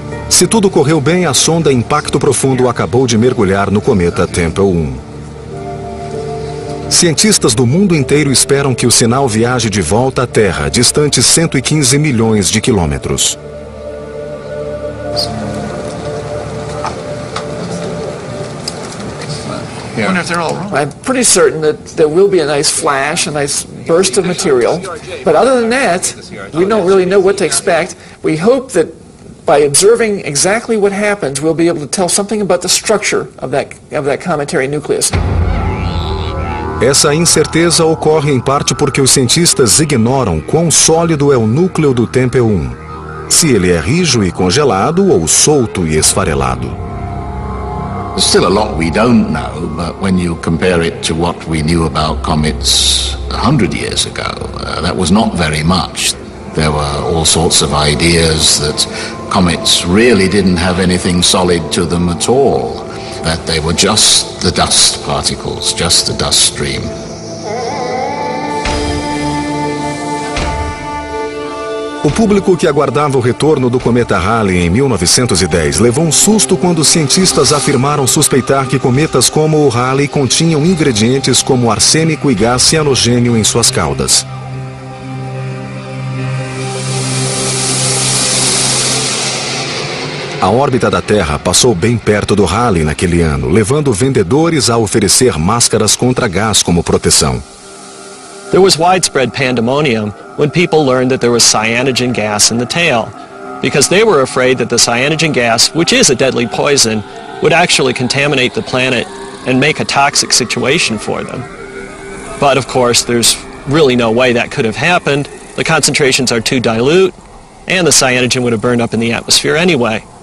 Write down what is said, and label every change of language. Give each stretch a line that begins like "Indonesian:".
Portuguese: Se tudo correu bem, a sonda Impacto Profundo acabou de mergulhar no cometa Tempel-1. Cientistas do mundo inteiro esperam que o sinal viaje de volta à Terra, distante 115 milhões de quilômetros.
English: I'm pretty certain that there will be a nice flash, a nice burst of material, but other than that, we don't really know what to expect. We hope that by observing exactly what happens, we'll be able to tell something about the structure of that cometary nucleus.
Portuguese: Essa incerteza ocorre em parte porque os cientistas ignoram quão sólido é o núcleo do Tempel 1, se ele é rijo e congelado ou solto e esfarelado.
English: There's still a lot we don't know, but when you compare it to what we knew about comets 100 years ago, that was not very much. There were all sorts of ideas that comets really didn't have anything solid to them at all, that they were just the dust particles, just the dust stream.
Portuguese: O público que aguardava o retorno do cometa Halley em 1910 levou um susto quando cientistas afirmaram suspeitar que cometas como o Halley continham ingredientes como arsênico e gás cianogênio em suas caudas. A órbita da Terra passou bem perto do Halley naquele ano, levando vendedores a oferecer máscaras contra gás como proteção.
English: There was widespread pandemonium when people learned that there was cyanogen gas in the tail, because they were afraid that the cyanogen gas, which is a deadly poison, would actually contaminate the planet and make a toxic situation for them. But of course, there's really no way that could have happened. The concentrations are too dilute, and the cyanogen would have burned up in the atmosphere anyway.